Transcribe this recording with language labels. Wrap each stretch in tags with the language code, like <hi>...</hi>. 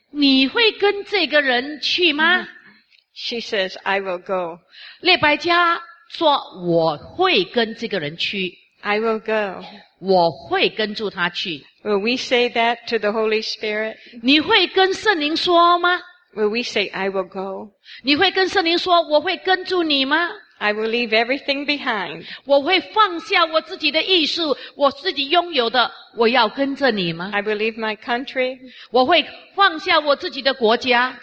<zh>你会跟这个人去吗</zh> <en>She says, I will go.</en> <zh>列百加说我会跟这个人去</zh> <en>I will go.</en> <zh>我会跟住他去</zh> <en>Will we say that to the Holy Spirit?</en> <zh>你会跟圣灵说吗</zh> <en>Will we say, I will go?</en> <zh>你会跟圣灵说我会跟住你吗</zh> <en>I will leave everything behind.</en> <zh>我会放下我自己的艺术，我自己拥有的，我要跟着你吗</zh> <en>？I will leave my country.</en> <zh>我会放下我自己的国家。</zh>